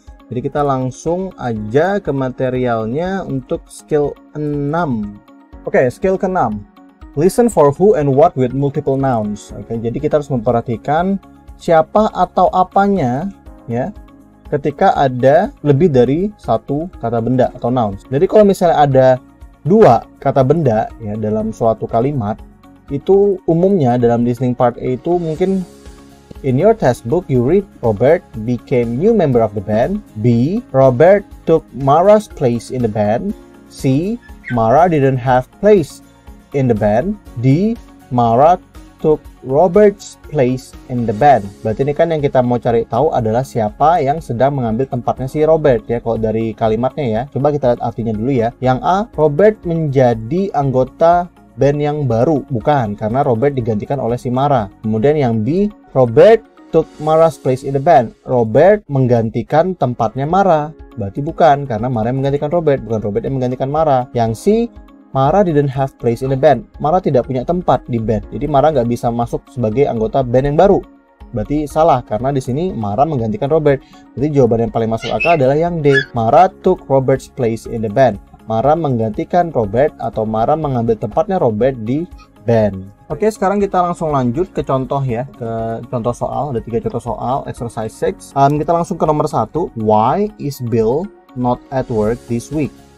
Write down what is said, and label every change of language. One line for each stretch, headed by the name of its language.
Indonesian: Jadi kita langsung aja ke materialnya untuk skill 6. Oke, skill ke-6.
English: Listen for who and what with multiple nouns.
Indonesian: Oke, jadi kita harus memperhatikan siapa atau apanya ya, ketika ada lebih dari satu kata benda atau nouns. Jadi kalau misalnya ada dua kata benda ya dalam suatu kalimat, itu umumnya dalam listening part A itu mungkin
English: in your test book you read Robert became new member of the band, B, Robert took Mara's place in the band, C, Mara didn't have place in the band, D, Mara took Robert's place in the band.
Indonesian: Berarti ini kan yang kita mau cari tahu adalah siapa yang sedang mengambil tempatnya si Robert ya, kalau dari kalimatnya ya. Coba kita lihat artinya dulu ya. Yang A, Robert menjadi anggota band yang baru. Bukan, karena Robert digantikan oleh si Mara. Kemudian yang B,
English: Robert took Mara's place in the band.
Indonesian: Robert menggantikan tempatnya Mara. Berarti bukan, karena Mara yang menggantikan Robert, bukan Robert yang menggantikan Mara. Yang C,
English: Mara didn't have place in the band.
Indonesian: Mara tidak punya tempat di band. Jadi Mara nggak bisa masuk sebagai anggota band yang baru. Berarti salah, karena di sini Mara menggantikan Robert. Berarti jawaban yang paling masuk akal adalah yang D.
English: Mara took Robert's place in the band.
Indonesian: Mara menggantikan Robert atau Mara mengambil tempatnya Robert di band. Oke, sekarang kita langsung lanjut ke contoh ya. Ke contoh soal, ada 3 contoh soal, exercise 6. Kita langsung ke nomor 1.
English: Why is Bill not at work this week?